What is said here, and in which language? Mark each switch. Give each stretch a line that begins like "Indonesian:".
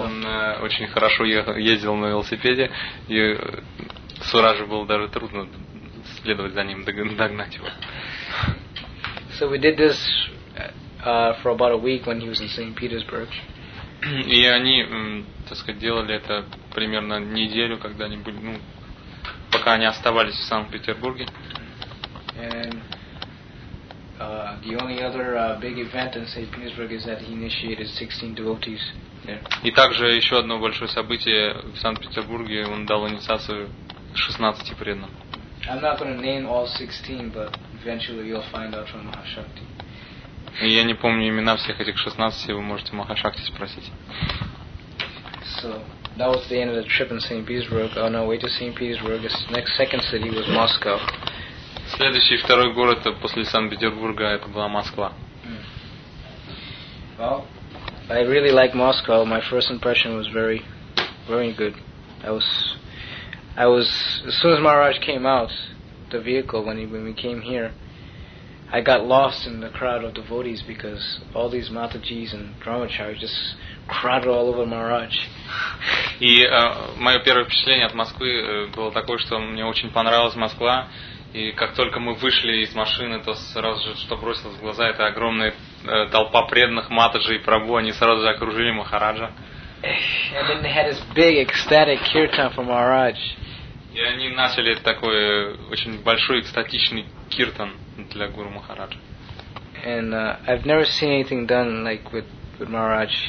Russian: Он очень хорошо ездил на велосипеде, и Суражу было даже трудно следовать за ним, догнать его.
English: So we did this for about a week when he was in St. Petersburg.
Russian: И они, так сказать, делали это примерно неделю, когда они были, ну, пока они оставались в Санкт-Петербурге.
English: The only other big event in St. Petersburg is that he initiated 16 devotees there.
Russian: И также еще одно большое событие в Санкт-Петербурге, он дал инициацию 16 преданным.
English: I'm not going to name all 16, but eventually you'll find out from Mahashakti.
Russian: И я не помню имена всех этих 16, вы можете Махашакти спросить.
English: So that was the end of the trip in St. Petersburg. On our way to St. Petersburg, the next second city was Moscow.
Russian: Следующий второй город после Санкт-Петербурга это была Москва.
English: Well, I really like Moscow. My first impression was very, very good. I was as soon as Maharaj came out the vehicle when we came here, I got lost in the crowd of devotees because all these Matajis and Dharmacharis just crowded all over Maharaj.
Russian: И мое первое впечатление от Москвы было такое, что мне очень понравилась Москва. И как только мы вышли из машины, то сразу же, что бросилось в глаза, это огромная толпа преданных Матаджи и Прабу, они сразу же окружили Махараджа.
English: And then they had this big ecstatic kirtan for Maharaj.
Russian: И они начали такой очень большой экстатичный киртан для Гуру Махараджа.
English: And I've never seen anything done like with Maharaj.